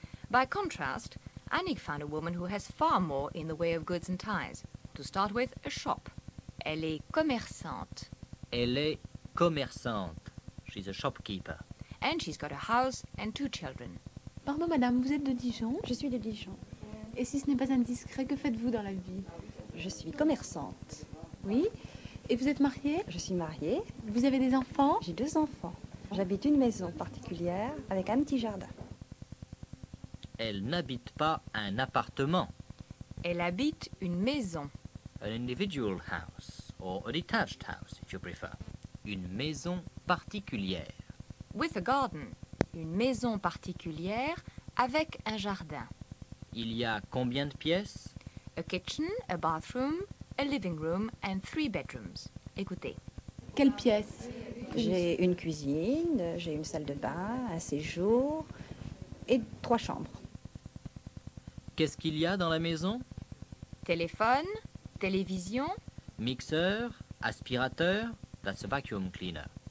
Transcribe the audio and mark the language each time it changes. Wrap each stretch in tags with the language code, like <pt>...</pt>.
<en>By contrast, Annick found a woman who has far more in the way of goods and ties. To start with, a shop.</en> <fr>Elle est commerçante. Elle est commerçante.</fr> <en>She's a shopkeeper. And she's got a house and two children.</en> <fr>Pardon, madame, vous êtes de Dijon? Je suis de Dijon. Et si ce n'est pas indiscret, que faites-vous dans la vie? Je suis commerçante. Oui? Et vous êtes mariée? Je suis mariée. Vous avez des enfants? J'ai deux enfants. J'habite une maison particulière avec un petit jardin. Elle n'habite pas un appartement. Elle habite une maison.</fr> <en>An individual house, or a detached house, if you prefer.</en> <fr>Une maison particulière.</fr> <en>With a garden.</en> <fr>Une maison particulière avec un jardin. Il y a combien de pièces?</fr> <en>A kitchen, a bathroom, a living room and three bedrooms.</en> <fr>Écoutez. Quelles pièces? J'ai une cuisine, j'ai une salle de bain, un séjour et trois chambres. Qu'est-ce qu'il y a dans la maison? Téléphone, télévision. Mixeur, aspirateur,</fr> <en>that's a vacuum cleaner.</en>